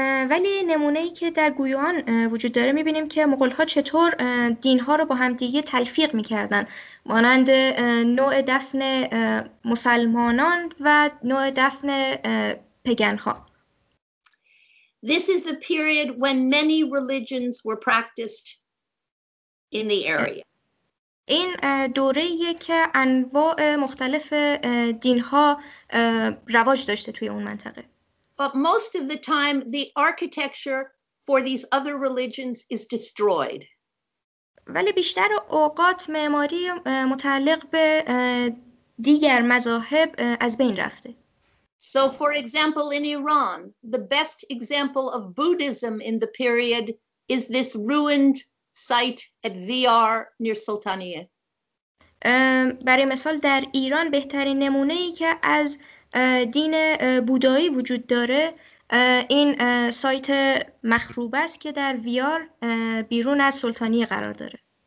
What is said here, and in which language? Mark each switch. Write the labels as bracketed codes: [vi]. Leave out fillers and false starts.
[fa] ولی نمونه‌ای که در گویوان وجود داره می‌بینیم که مغول‌ها چطور دین‌ها رو با هم دیگه تلفیق می‌کردن، مانند نوع دفن مسلمانان و نوع دفن پگان‌ها. [en] This is the period when many religions were practiced in the area. [fa] این دوره‌ایه که انواع مختلف دین‌ها رواج داشته توی اون منطقه. [en] But most of the time the architecture for these other religions is destroyed. [fa] ولی بیشتر اوقات معماری متعلق به دیگر مذاهب از بین رفته. [en] So for example in Iran, the best example of Buddhism in the period is this ruined site at VR near Sultaniyeh. [fa] برای مثال در ایران بهترین نمونه ای که از دین بودایی وجود داره این سایت مخروبه است که در ویار بیرون از سلطانیه قرار داره.